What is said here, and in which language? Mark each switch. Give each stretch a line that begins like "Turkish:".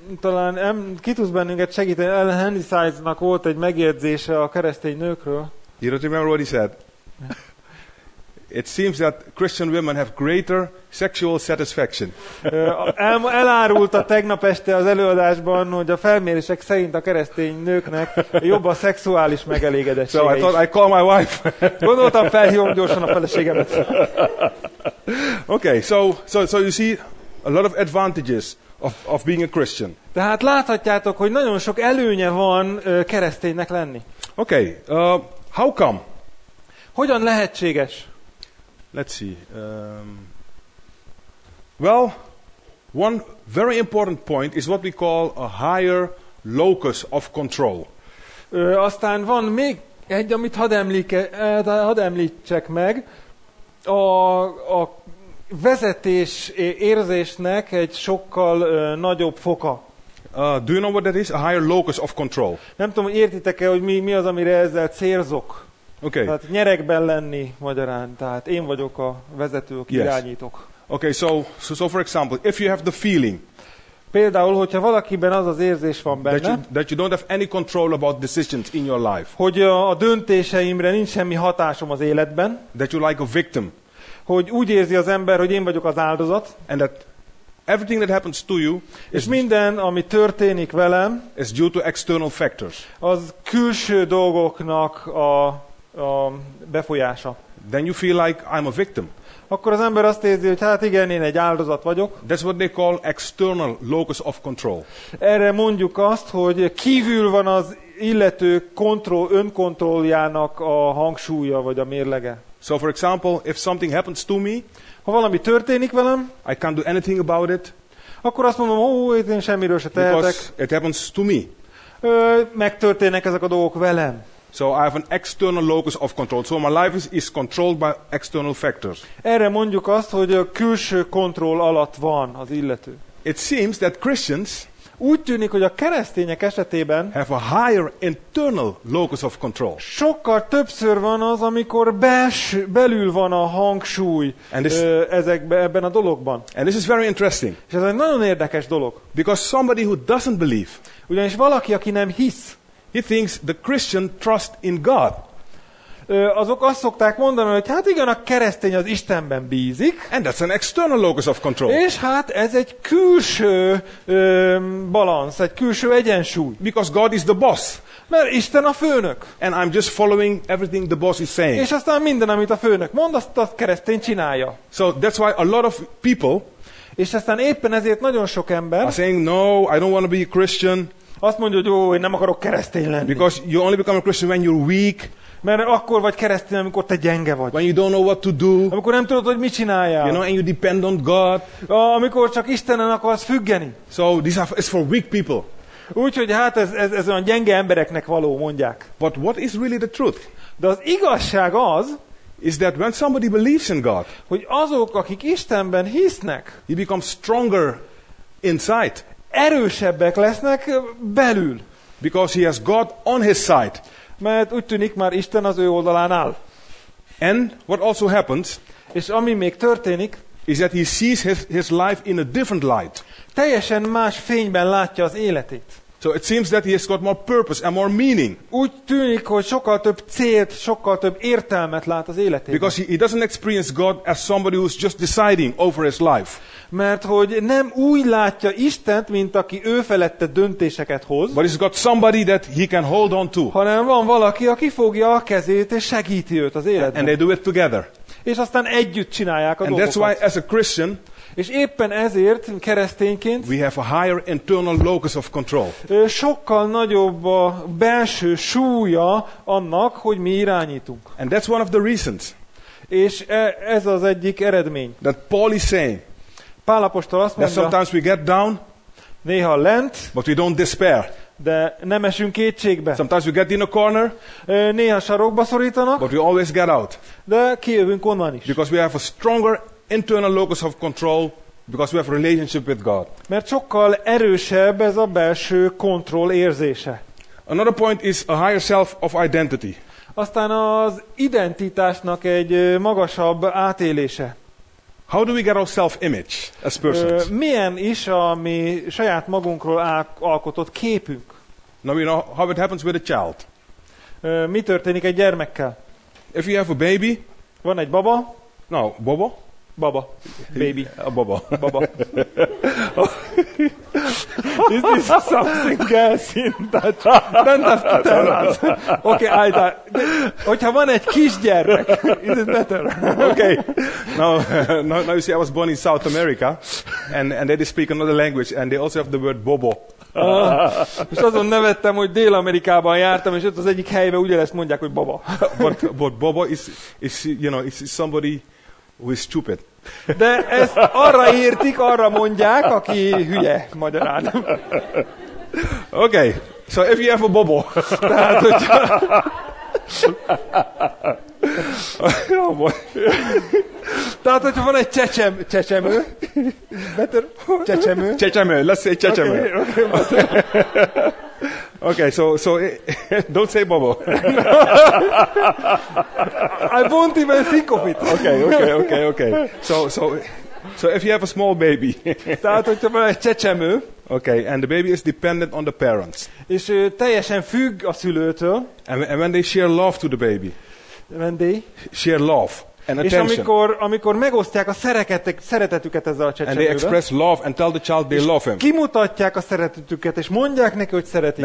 Hungarian: Talán ki tudsz bennünket segíteni. Ellen Handyside-nak volt egy megjegyzése a keresztény nőkről.
English: You don't remember what he said? It seems that Christian women have greater sexual satisfaction.
Hungarian: Elárulta tegnap este az előadásban, hogy a felmérések szerint a keresztény nőknek jobb a szexuális megelégedettsége.
English: So I thought I call my wife.
Hungarian: Gondoltam, felhívom gyorsan a feleségemet.
English: Okay, so you see a lot of advantages of being a Christian.
Hungarian: Tehát láthatjátok, hogy nagyon sok előnye van kereszténynek lenni.
English: Okay, how come?
Hungarian: Hogyan lehetséges?
English: Let's see. Well, one very important point is what we call a higher locus of control.
Hungarian: Aztán van még egy, amit hadd említsek meg, a vezetés érzésnek egy sokkal nagyobb foka.
English: Do you know what that is? A higher locus of control.
Hungarian: Nem tudom, értitek-e, hogy mi az, amire ezzel célzok?
English: Okay.
Hungarian: Tehát nyerekben lenni magyarán, tehát én vagyok a vezető, aki
English: yes.
Hungarian: Irányítok.
English: Okay, so for example, if you have the feeling.
Hungarian: Például, hogyha valakiben az az érzés van benne.
English: That you don't have any control about decisions in your life.
Hungarian: Hogy a döntéseimre nincs semmi hatásom az életben.
English: That you like a victim.
Hungarian: Hogy úgy érzi az ember, hogy én vagyok az áldozat.
English: And that Everything that happens to you
Hungarian: is minden, ami történik velem,
English: is due to external factors.
Hungarian: Az külső dolgoknak a befolyása.
English: Then you feel like I'm a victim.
Hungarian: Akkor az ember azt érzi, hogy hát igen, én egy áldozat vagyok.
English: That's what they call external locus of control.
Hungarian: Erre mondjuk azt, hogy kívül van az illető kontroll, önkontrolljának a hangsúlya vagy a mérlege.
English: So for example, if something happens to me,
Hungarian: ha valami történik velem,
English: I can't do anything about it.
Hungarian: Akkor azt mondom, én semmiről se tehetek.
English: It happens to me.
Hungarian: Megtörténnek ezek a dolgok velem.
English: So I have an external locus of control. So my life is controlled by external factors.
Hungarian: Erre mondjuk azt, hogy a külső kontroll alatt van az illető.
English: It seems that Christians,
Hungarian: úgy tűnik, hogy a keresztények esetében,
English: have a higher internal locus of control.
Hungarian: Sokkal többször van az, amikor belül van a hangsúly ebben a dologban.
English: And this is very interesting.
Hungarian: És ez egy nagyon érdekes dolog.
English: Because somebody who doesn't believe,
Hungarian: ugyanis valaki, aki nem hisz,
English: he thinks the Christian trust in God.
Hungarian: Azok azt szokták mondani, hogy hát igen, a keresztény az Istenben bízik.
English: And that's an external locus of control.
Hungarian: És hát ez egy külső balansz, egy külső egyensúly.
English: Because God is the boss.
Hungarian: Mert Isten a főnök.
English: And I'm just following everything the boss is saying.
Hungarian: És aztán minden, amit a főnök mond, azt a keresztény csinálja.
English: So that's why a lot of people.
Hungarian: És aztán éppen ezért nagyon sok ember.
English: Are saying no, I don't want to be a Christian.
Hungarian: Azt mondja, hogy én nem akarok keresztény lenni.
English: Because you only become a Christian when you're weak.
Hungarian: Mert akkor vagy keresztény, amikor te gyenge vagy.
English: When you don't know what to do.
Hungarian: Amikor nem tudod, hogy mit csináljál.
English: You know, and you depend on God.
Hungarian: Amikor csak Istenen akarsz függeni.
English: So this is for weak people.
Hungarian: Úgyhogy hát ez olyan gyenge embereknek való, mondják.
English: But what is really the truth?
Hungarian: De az igazság az,
English: is that when somebody believes in God,
Hungarian: hogy azok, akik Istenben hisznek,
English: he becomes stronger inside.
Hungarian: Erősebbek lesznek belül.
English: Because he has God on his side.
Hungarian: Mert úgy tűnik, már Isten az ő oldalán áll.
English: And what also happens,
Hungarian: és ami még történik,
English: is that he sees his life in a different light.
Hungarian: Teljesen más fényben látja az életét.
English: So it seems that he has got more purpose and more meaning.
Hungarian: Úgy tűnik, hogy sokkal több célt, sokkal több értelmet lát az életében.
English: Because he doesn't experience God as somebody who's just deciding over his life.
Hungarian: Mert hogy nem úgy látja Istent, mint aki ő felette döntéseket hoz.
English: But he's got somebody that he can hold on to.
Hungarian: Hanem van valaki, aki fogja a kezét és segíti őt az életben.
English: And they do it together.
Hungarian: És aztán együtt csinálják a
English: and
Hungarian: dolgokat.
English: And that's why as a Christian,
Hungarian: és éppen ezért keresztényként
English: we have a higher internal locus of control.
Hungarian: Sokkal nagyobb a belső súlya annak, hogy mi irányítunk.
English: And that's one of the reasons.
Hungarian: És ez az egyik eredmény.
English: That Paul is saying.
Hungarian: Pál apostol azt mondja.
English: That sometimes we get down.
Hungarian: Néha lent.
English: But we don't despair.
Hungarian: De nem esünk kétségbe.
English: Sometimes we get in a corner.
Hungarian: Néha sarokba szorítanak.
English: But we always get out.
Hungarian: De kijövünk onnan is.
English: Because we have a stronger internal locus of control because we have a relationship with God.
Hungarian: Mert sokkal erősebb ez a belső kontroll érzése.
English: Another point is a higher self of identity.
Hungarian: Aztán az identitásnak egy magasabb átélése.
English: How do we get our self-image as persons?
Hungarian: Milyen is a mi saját magunkról alkotott képünk?
English: Now you know how it happens with a child.
Hungarian: Mi történik egy gyermekkel?
English: If you have a baby.
Hungarian: Van egy baba.
English: No, baba.
Hungarian: Baba. Baby. A baba. Baba.
English: Is this something else in Dutch? Don't have to tell us. Okay, Ida.
Hungarian: Hogyha van egy kisgyermek,
English: is it better? Okay. Now you see, I was born in South America, and they speak another language, and they also have the word bobo.
Hungarian: És azon nevettem, hogy Dél-Amerikában jártam, és ott az egyik helyben ugyanezt mondják, hogy baba.
English: But baba is, you know, is somebody who is stupid.
Hungarian: De ezt arra értik, arra mondják, aki hülye, magyarán.
English: Okay, so if you have a bobo.
Hungarian: Tehát, hogy... Tehát, hogyha van egy csecsemő.
English: Better? Csecsemő. Csecsemő, let's say csecsemő. Okay, okay, so don't say bobo. I won't even think of it. Okay. So if you have a small baby.
Hungarian: Tehát, hogyha van egy csecsemő.
English: Okay, and the baby is dependent on the parents.
Hungarian: És teljesen függ a szülőtől.
English: And when they share love to the baby. When they share love. And
Hungarian: és amikor megosztják a szeretetüket ezzel a
English: csecsemővel. And they express love and tell the child they love him.
Hungarian: Kimutatják a szeretetüket és mondják neki, hogy szeretik.